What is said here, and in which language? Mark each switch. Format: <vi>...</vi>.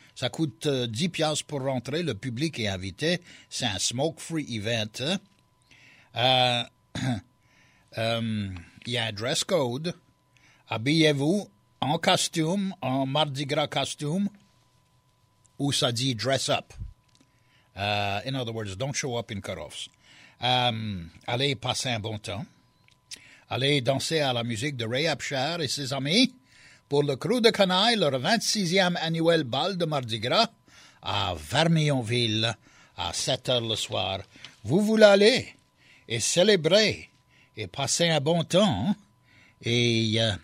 <fr>Ça coûte 10$ pour rentrer. Le public est invité. C'est un smoke-free event. Il y a un dress code. Habillez-vous. En costume, en Mardi Gras costume, où ça dit «</fr> <en>dress up ». In other words, don't show up in cutoffs.</en> <fr>Allez passer un bon temps. Allez danser à la musique de Ray Abchard et ses amis pour le Crew de Canailles, leur 26e annuel bal de Mardi Gras à Vermillonville à 7h le soir. Vous voulez aller et célébrer et passer un bon temps et...</fr>